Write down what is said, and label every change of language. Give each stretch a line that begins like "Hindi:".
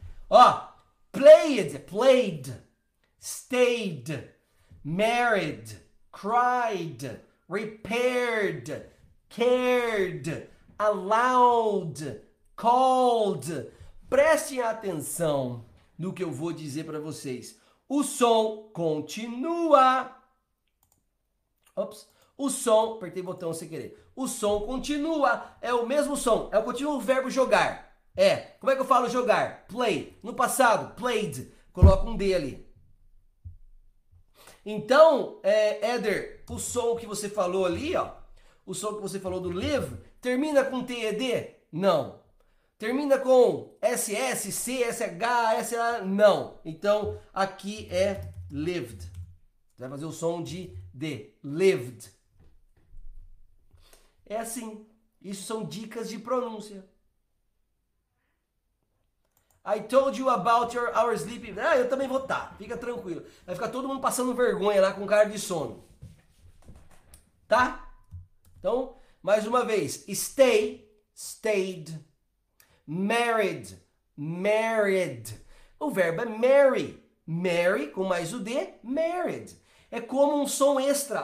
English: Ó, played, stayed, married, cried, repaired, cared, allowed, called.
Portuguese: Prestem atenção no que eu vou dizer para vocês. O som continua. Ops. O som, apertei o botão sem querer. O som continua. É o mesmo som. É o contínuo verbo jogar. É. Como é que eu falo jogar? Play. No passado, played. Coloca um D ali. Então, Éder, o som que você falou ali, ó. O som que você falou do live, termina com TED? Não. Termina com SS, C, SH, SA? Não. Então, aqui é lived. Você vai fazer o som de D. Lived. É assim. Isso são dicas de pronúncia.
English: I told you about our sleep.
Portuguese: Ah, eu também vou estar. Fica tranquilo. Vai ficar todo mundo passando vergonha lá com cara de sono. Tá? Então, mais uma vez. Stay, stayed. Married, married. O verbo é marry. Marry com mais o D, married. É como um som extra.